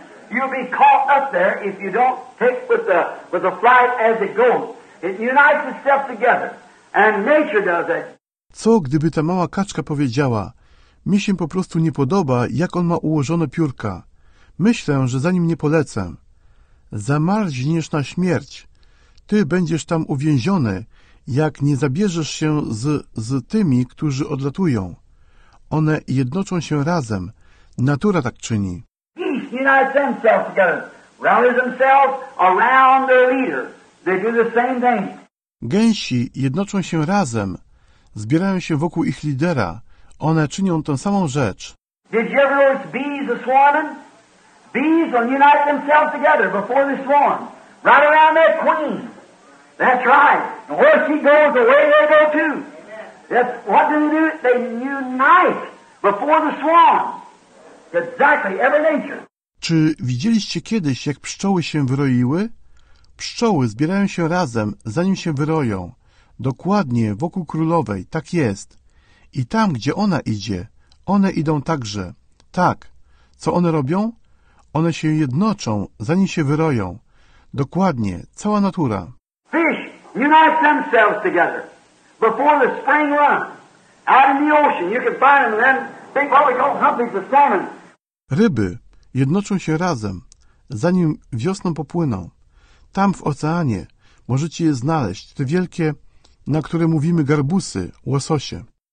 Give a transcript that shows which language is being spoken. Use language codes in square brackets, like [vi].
[en] You'll be caught up there if you don't take with the flight as it goes. It unites itself together, and nature does it. [pl] Co gdyby ta mała kaczka powiedziała? Mi się po prostu nie podoba, jak on ma ułożone piórka. Myślę, że za nim nie polecę. Zamarzniesz na śmierć. Ty będziesz tam uwięziony, jak nie zabierzesz się z tymi, którzy odlatują. One jednoczą się razem. Natura tak czyni. [en] Unites themselves together, rallies themselves around their leader. They do the same thing. [pl] Gęsi jednoczą się razem, zbierają się wokół ich lidera. One czynią tę samą rzecz. [en] Did you ever notice bees a swarming? Bees will unite themselves together before they swarm, right around their queen. That's right. And where she goes, away they go too. That's what do they do? They unite before the swarm. Exactly, every nature. [pl] Czy widzieliście kiedyś, jak pszczoły się wyroiły? Pszczoły zbierają się razem, zanim się wyroją. Dokładnie wokół królowej, tak jest. I tam, gdzie ona idzie, one idą także. Tak. Co one robią? One się jednoczą, zanim się wyroją. Dokładnie, cała natura. [en] Fish unite themselves together before the spring run. Out in the ocean, you can find them then. They probably call something the salmon. [pl] Ryby jednoczą się razem, zanim wiosną popłyną. Tam w oceanie możecie je znaleźć, te wielkie, na które mówimy garbusy, łososie.